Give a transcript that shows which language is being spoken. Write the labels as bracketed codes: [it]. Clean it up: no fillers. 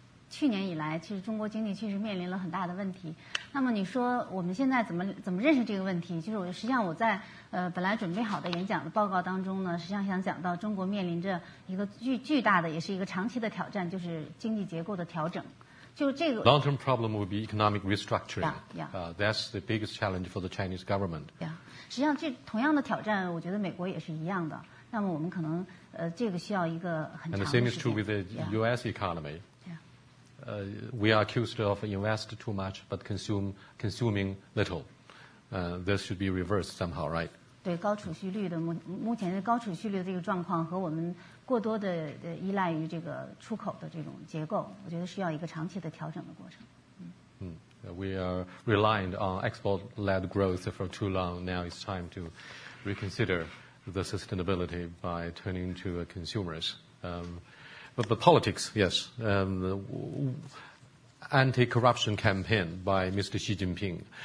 [zh] 去年以来 其实中国经济确实面临了很大的问题。那么你说我们现在怎么认识这个问题， 就是实际上我在 本来准备好的演讲的报告当中呢， 实际上想讲到中国面临着一个巨大的也是一个长期的挑战， 就是经济结构的调整。就这个 [en] long term problem would be economic restructuring. Yeah, yeah. That's the biggest challenge for the Chinese government. Yeah. [zh] 实际上这同样的挑战， 我觉得美国也是一样的。那么我们可能 这个需要一个很长的时间。 [en] And the same is true with the US economy. Yeah. We are accused of invest too much but consuming little. this should be reversed somehow, right? [zh] 对高储蓄率的目前的高储蓄率的这个状况和我们过多的依赖于这个出口的这种结构，我觉得需要一个长期的调整的过程。 [en] We are reliant on export-led growth for too long. Now it's time to reconsider the sustainability by turning to consumers. But the politics, yes, anti-corruption campaign by Mr. Xi Jinping.